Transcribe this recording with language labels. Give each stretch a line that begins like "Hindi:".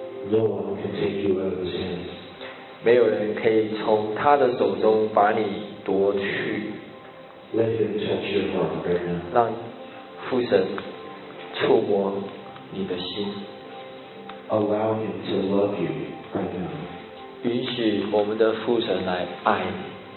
English: No one can take you out of his hands.
Chinese: 没有人可以从他的手中把你夺去。
English: Let him touch your heart right now.
Chinese: 让父神触摸你的心。
English: Allow him to love you right now.
Chinese: 允许我们的父神来爱你。